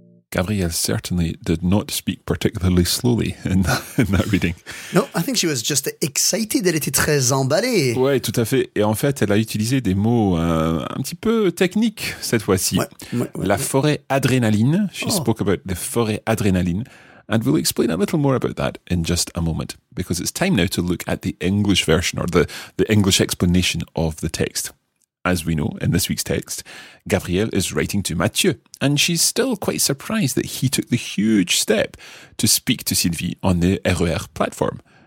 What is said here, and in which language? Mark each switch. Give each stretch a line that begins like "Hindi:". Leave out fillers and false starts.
English: Gabrielle certainly did not speak particularly slowly in that reading. No, I think she was just excited.
French: Elle était très emballée. Oui, tout à fait. Et en fait, elle a utilisé des mots un petit peu techniques cette fois-ci. Ouais, forêt adrénaline.
English: She spoke about the forêt adrénaline. And we'll explain a little more about that in just a moment, because it's time now to look at the English version or the English explanation of the text. As we know, in this week's text, Gabrielle is writing to Mathieu, and she's still quite surprised that he took the huge step to speak to Sylvie on the RER platform.